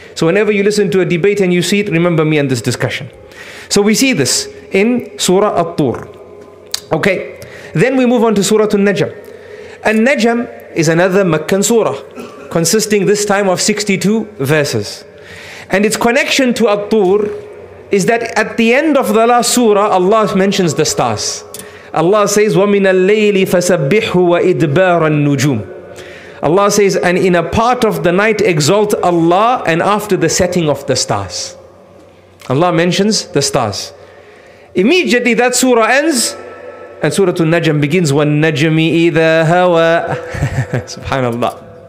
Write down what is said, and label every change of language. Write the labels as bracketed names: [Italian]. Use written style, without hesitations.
[English] So whenever you listen to a debate and you see it, remember me and this discussion. So we see this in Surah At-Tur. Okay. Then we move on to Surah An-Najm. An-Najm is another Meccan surah, consisting this time of 62 verses. And its connection to At-Tur is that at the end of the last surah, Allah mentions the stars. Allah says, [Arabic] وَمِنَ اللَّيْلِ فَسَبِّحْهُ وَإِدْبَارَ النُّجُومِ. [English] Allah says, and in a part of the night, exalt Allah, and after the setting of the stars. Allah mentions the stars. Immediately that surah ends, and Surah An-Najm begins, [Arabic] وَالنَّجْمِ إِذَا هَوَى. [English] SubhanAllah.